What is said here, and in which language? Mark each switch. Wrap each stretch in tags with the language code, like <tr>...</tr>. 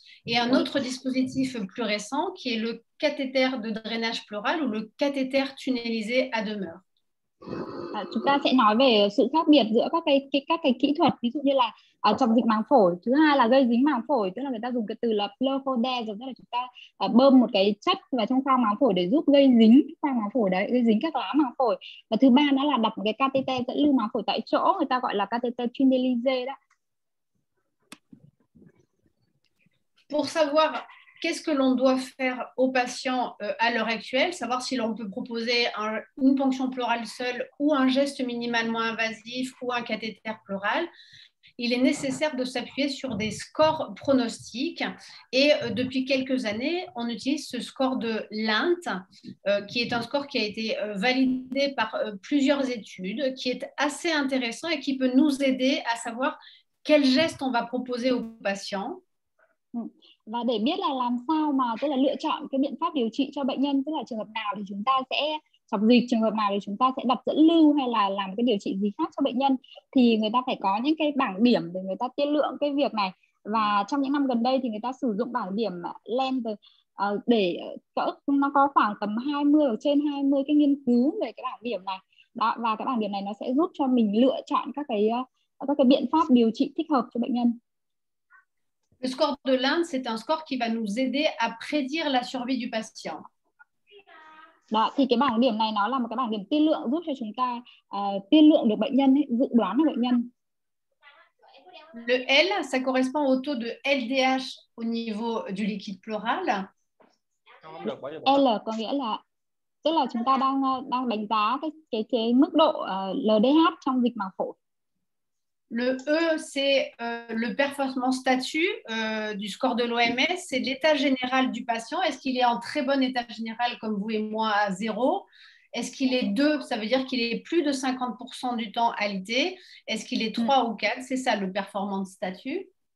<fr>Et un autre dispositif plus récent qui est le cathéter de drainage pleural ou le cathéter tunnelisé à demeure.</fr> <vi>Chúng ta sẽ nói về sự khác biệt giữa các cái kỹ thuật, ví dụ như là trong dịch màng phổi, thứ hai là gây dính màng phổi, tức là người ta dùng cái từ là pleurodes, tức là chúng ta bơm một cái chất vào trong khoang màng phổi để giúp gây dính khoang màng phổi đấy, gây dính các lá màng phổi. Và thứ ba nữa là đặt một cái cateter dẫn lưu màng phổi tại chỗ, người ta gọi là cateter tunnelisé đó.</vi> <fr>Pour savoir qu'est-ce que l'on doit faire aux patients à l'heure actuelle, savoir si l'on peut proposer une ponction pleurale seule ou un geste minimalement invasif ou un cathéter pleural, il est nécessaire de s'appuyer sur des scores pronostiques. Et depuis quelques années, on utilise ce score de Lint, qui est un score qui a été validé par plusieurs études, qui est assez intéressant et qui peut nous aider à savoir quel geste on va proposer aux patients.</fr> <vi>Và để biết là làm sao mà tức là lựa chọn cái biện pháp điều trị cho bệnh nhân, tức là trường hợp nào thì chúng ta sẽ chọc dịch, trường hợp nào thì chúng ta sẽ đặt dẫn lưu hay là làm cái điều trị gì khác cho bệnh nhân, thì người ta phải có những cái bảng điểm để người ta tiên lượng cái việc này. Và trong những năm gần đây thì người ta sử dụng bảng điểm Lent để cỡ nó có khoảng tầm 20 hoặc trên 20 cái nghiên cứu về cái bảng điểm này. Đó, và cái bảng điểm này nó sẽ giúp cho mình lựa chọn các cái biện pháp điều trị thích hợp cho bệnh nhân.</vi> <fr>Le score de Lint, c'est un score qui va nous aider à prédire la survie du patient.</fr> <vi>Đó, thì cái bảng điểm này nó là một cái bảng điểm tiên lượng giúp cho chúng ta tiên lượng được bệnh nhân, dự đoán được bệnh nhân.</vi> <fr>Le L, ça correspond au taux de LDH au niveau du liquide pleural.</fr> <vi>L, có nghĩa là tức là chúng ta đang đánh giá cái mức độ LDH trong dịch màng phổi.</vi> <fr>Le E, c'est le performance statut du score de l'OMS, c'est l'état général du patient. Est-ce qu'il est en très bon état général comme vous et moi à zéro? Est-ce qu'il est 2, ça veut dire qu'il est plus de 50% du temps alité? Est-ce qu'il est 3 ou 4? C'est ça le performance statut.</fr>